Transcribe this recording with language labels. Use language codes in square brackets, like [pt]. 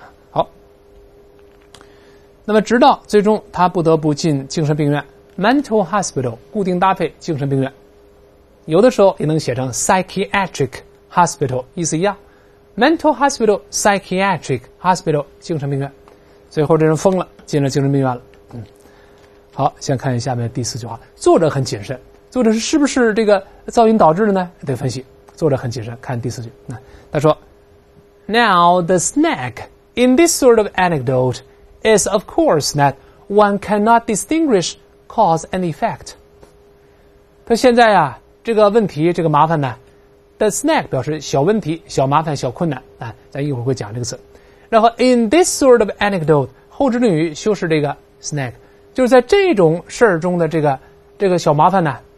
[zh] 好，那么直到最终他不得不进精神病院 ， [en] mental hospital， [zh] 固定搭配精神病院，有的时候也能写成 [en] psychiatric hospital， [zh] 意思一样。 [en] Mental hospital, psychiatric hospital, [zh] 精神病院。最后这人疯了，进了精神病院了。好，先看下面第四句话。作者很谨慎。作者是不是这个噪音导致的呢？得分析。作者很谨慎，看第四句。他说 [en] Now the snag in this sort of anecdote is of course that one cannot distinguish cause and effect。 [zh] 他现在啊，这个问题，这个麻烦呢， [en] The snag [zh] 表示小问题、小麻烦、小困难啊，咱一会儿会讲这个词。然后 [en] in this sort of anecdote [zh] 后置定语修饰这个 snag， 就是在这种事儿中的这个小麻烦呢。